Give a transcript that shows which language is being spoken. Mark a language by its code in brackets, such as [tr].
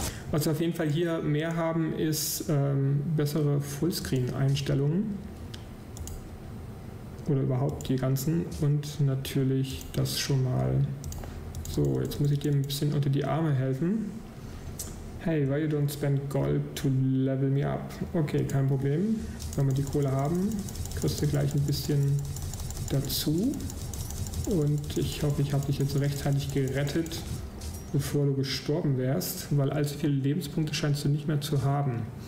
[de] Was wir auf jeden Fall hier mehr haben, ist bessere Fullscreen-Einstellungen. Oder überhaupt die ganzen. Und natürlich das schon mal. So, jetzt muss ich dir ein bisschen unter die Arme helfen. [en] Hey, why you don't spend gold to level me up? [de] Okay, kein Problem. Wenn wir die Kohle haben, kriegst du gleich ein bisschen dazu. Und ich hoffe, ich habe dich jetzt rechtzeitig gerettet, bevor du gestorben wärst, weil allzu viele Lebenspunkte scheinst du nicht mehr zu haben.